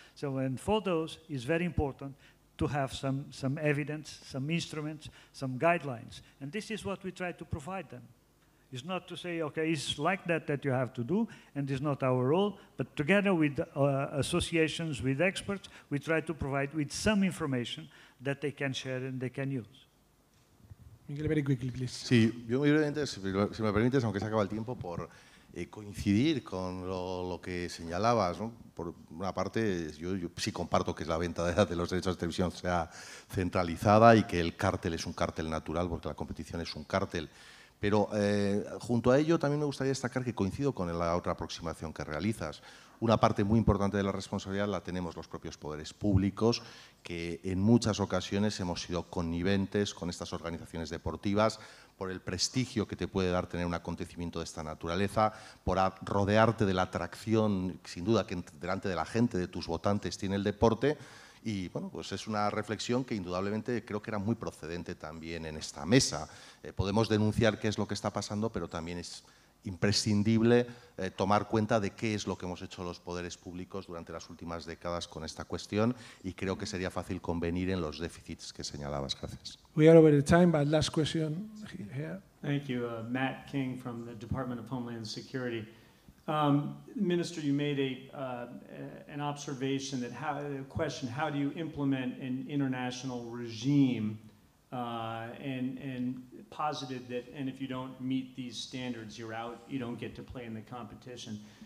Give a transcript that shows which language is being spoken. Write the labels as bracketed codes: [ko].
[en] So, and for those, it's very important to have some evidence, some instruments, some guidelines. And this is what we try to provide them. It's not to say, okay, it's like that you have to do, and it's not our role, but together with associations, with experts, we try to provide with some information that they can share and they can use. Miguel, very quickly, please. [es] Sí, yo muy brevemente, si me permites, aunque se acaba el tiempo, por coincidir con lo que señalabas, ¿no? Por una parte, yo sí comparto que la venta de los derechos de televisión sea centralizada y que el cártel es un cártel natural, porque la competición es un cártel. Pero junto a ello, también me gustaría destacar que coincido con la otra aproximación que realizas. Una parte muy importante de la responsabilidad la tenemos los propios poderes públicos, que en muchas ocasiones hemos sido conniventes con estas organizaciones deportivas por el prestigio que te puede dar tener un acontecimiento de esta naturaleza, por rodearte de la atracción, sin duda, que delante de la gente, de tus votantes, tiene el deporte. Y bueno, pues es una reflexión que indudablemente creo que era muy procedente también en esta mesa. Podemos denunciar qué es lo que está pasando, pero también es imprescindible tomar cuenta de qué es lo que hemos hecho los poderes públicos durante las últimas décadas con esta cuestión, y creo que sería fácil convenir en los déficits que señalabas. Gracias. [en] We are over the time, but last question here. Thank you. Matt King from the Department of Homeland Security. Minister, you made an observation that how do you implement an international regime, and posited that, and if you don't meet these standards, you're out, you don't get to play in the competition.